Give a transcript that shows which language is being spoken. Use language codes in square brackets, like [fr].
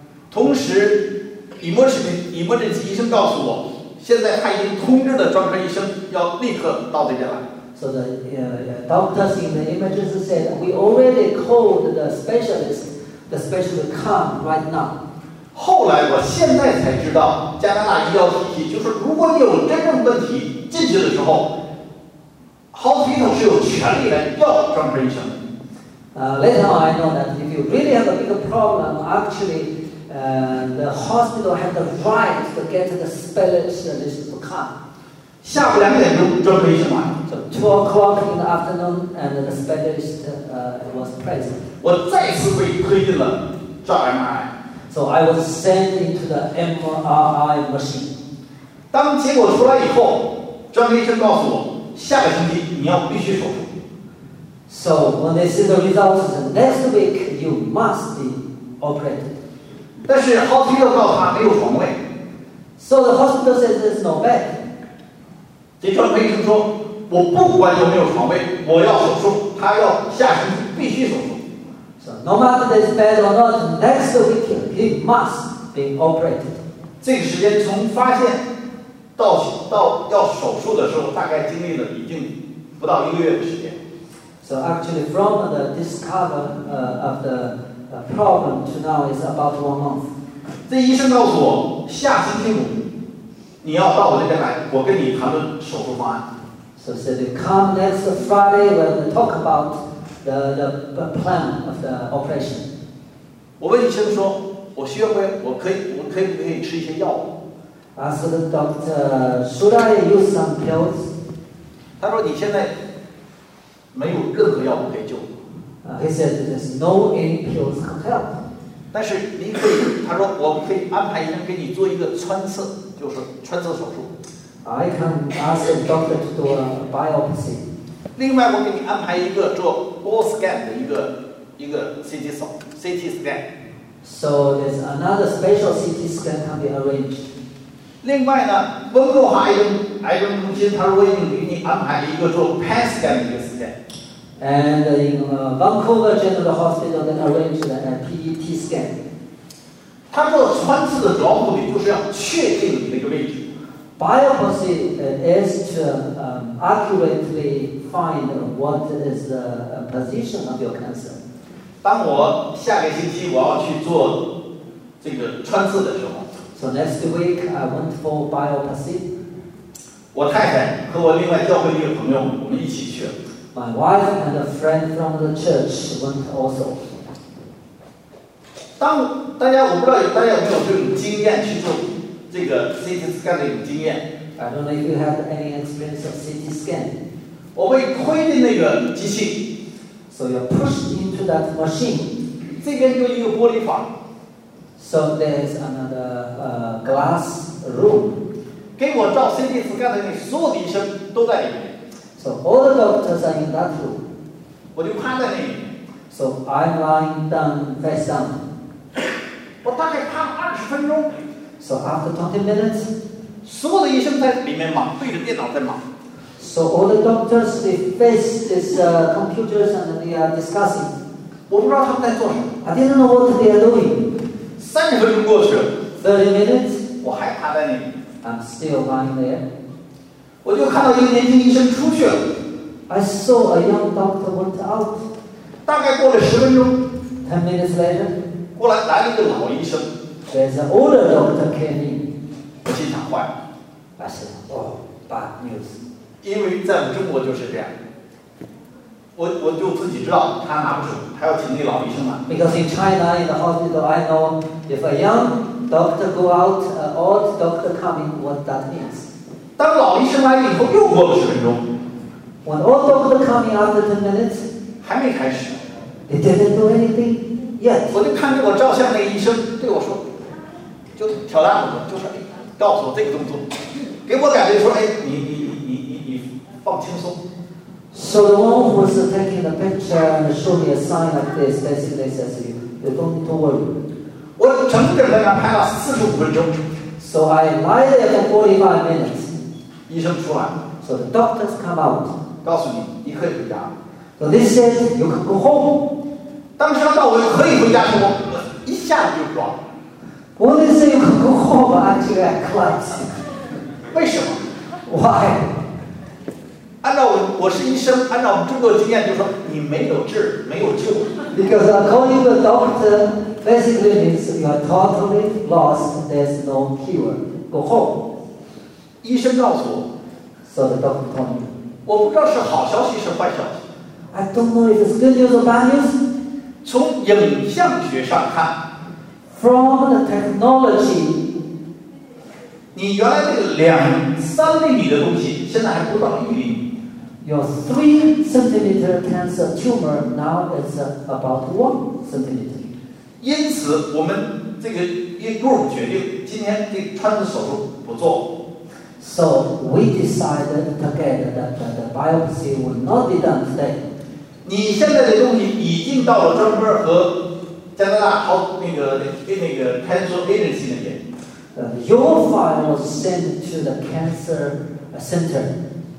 [zh] 同时 emergency 医生告诉我现在他已经通知了专科医生要立刻到这边来 [en] So the doctors in the emergency said we already called the specialist the specialist come right now [zh] 后来我现在才知道加拿大医疗体系就是如果你有真正问题进去的时候 hospital 是有权利来要专科医生的 [en] Later on, I know that if you really have a big problem, actually, the hospital has the right to get the specialist to come. [zh] 下午两点钟，专科医生来。 [en] So 2 o'clock in the afternoon, and the specialist was present. [zh] 我再次被推进了照 MRI. [en] So I was sent into the MRI machine. [zh] 当结果出来以后，专科医生告诉我，下个星期你要必须手术。 [en] So when they see the results next week, you must be operated. [zh] 但是 hospital 告诉他没有床位。 [en] So the hospital says there's no bed. [zh] 这专科医生说，我不管有没有床位，我要手术，他要下星期必须手术。 [en] So no matter there's bed or not, next week he must be operated. [zh] 这个时间从发现到要手术的时候，大概经历了已经不到一个月的时间。 [en] So actually, from the discover of the problem to now is about 1 month. [zh] 这医生告诉我，下星期五你要到我这边来，我跟你谈论手术方案。 [en] So said, come next Friday, we'll talk about the plan of the operation. [zh] 我问医生说，我需要不？我可以吃一些药 [en] ？Asked the doctor, should I use some pills? [zh] 他说你现在。没有任何药物可以救。 [en] He said there's no any pills can help. [zh] 但是您可以，他说我们可以安排医生给你做一个穿刺，就是穿刺手术。 [en] I can ask the doctor to do a biopsy. [zh] 另外，我给你安排一个做 CT scan 的一个 CT scan. [en] So there's another special CT scan can be arranged. [zh] 另外呢，温哥华癌症中心，他说我已经给你安排了一个做 PET scan 的一个。 [en] And in Vancouver General Hospital, they arranged a PET scan. [zh] 他做穿刺的主要目的就是要确定那个位置。 [en] Biopsy is to accurately find what is the position of your cancer. [zh] 当我下个星期我要去做这个穿刺的时候 [en] ，So next week I went for biopsy. [zh] 我太太和我另外教会的一个朋友，我们一起去了。 [en] My wife and a friend from the church went also. [zh] 当大家我不知道大家有没有这种经验去做这个 CT scan 的经验。 [en] I don't know if you have any experience of CT scan. [zh] 我被推进那个机器。 [en] So you're pushed into that machine. [zh] 这边就一个玻璃房。 [en] So there's another glass room. [zh] 给我照 CT scan 的那所有的医生都在里面。 [en] So all the doctors are in that room. [zh] 我就趴在那里。 [en] So I'm lying down, face down. [zh] 我大概趴了20分钟。 [en] So after 20 minutes, [zh] 所有的医生在里面忙，对着电脑在忙。 [en] So all the doctors, they face these computers and they are discussing. [zh] 我不知道他们在做什么。 [en] I didn't know what they are doing. [zh] 30分钟过去了。 [en] 30 minutes. [zh] 我还趴在那里。 [en] I'm still lying there. [zh] 我就看到一个年轻医生出去了。 [en] I saw a young doctor went out. [zh] 大概过了10分钟。 [en] 10 minutes later, [zh] 过来来了一个老医生。 [en] There's an older doctor came in. [zh] 心想坏。 [en] I said, oh, bad news. [zh] 因为在中国就是这样。我就自己知道他拿不准，他要请那老医生来。 [en] Because in China, in the hospital, I know if a young doctor go out, an old doctor coming, what that means. [zh] 当老医生来了以后，又过了十分钟。 [en] When old doctor coming after 10 minutes, [zh] 还没开始。 [en] They didn't do anything yet. [zh] 我就看着我照相那医生对我说，就挑大拇指，就说，哎，告诉我这个动作，给我感觉说，哎，你放轻松。 [en] So the one who was taking the picture and showed me a sign like this, they says, don't worry. [zh] 我整整的拍了45分钟。 [en] So I lie there for 45 minutes. [zh] 医生出来。 [en] So the doctors come out. [zh] 告诉你，你可以回家。 [en] So they says, you can go home. [zh] 当时他到我可以回家之后，我一下子就撞了。 [en] When they say you can go home, actually I collapse. [zh] 为什么 [en] ？Why? [zh] 按照我是医生，按照我们中国的经验，就是说你没有治，没有救。 [en] Because according to the doctor, basically means you are totally lost. There's no cure. Go home. [zh] 医生告诉我。 [en] So the doctor told me. [zh] 我不知道是好消息是坏消息。 [en] I don't know if it's good news or bad news. [zh] 从影像学上看。 [en] From the technology. [zh] 你原来那个2-3厘米的东西，现在还不到1厘米。 [en] Your 3-centimeter cancer tumor now is about 1-centimeter. [zh] 因此，我们这个医院决定今天这穿刺手术不做。 [en] So we decided together that the biopsy will not be done today. [zh] 你现在的东西已经到了专门和加拿大好那个 cancer agency 那边。 [en] Your file was sent to the cancer center.